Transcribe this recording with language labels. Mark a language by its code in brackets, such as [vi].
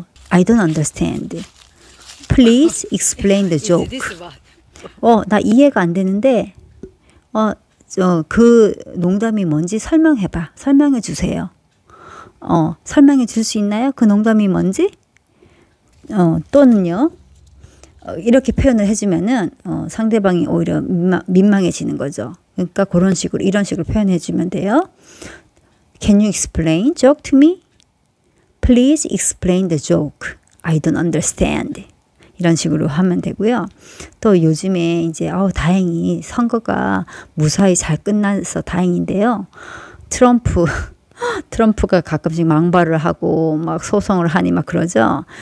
[en] I don't understand. Please explain the joke. [ko] 나 이해가 안 되는데 그 농담이 뭔지 설명해 주세요. 설명해 줄 수 있나요? 그 농담이 뭔지? 또는요, 이렇게 표현을 해주면은 상대방이 오히려 민망해지는 거죠. 그러니까 그런 식으로, 이런 식으로 표현해 주면 돼요. [en] Can you explain joke to me? Please explain the joke. I don't understand. [ko] 이런 식으로 하면 되고요. 또 요즘에 이제 다행히 선거가 무사히 잘 끝나서 다행인데요. 트럼프가 가끔씩 망발을 하고 막 소송을 하니 막 그러죠.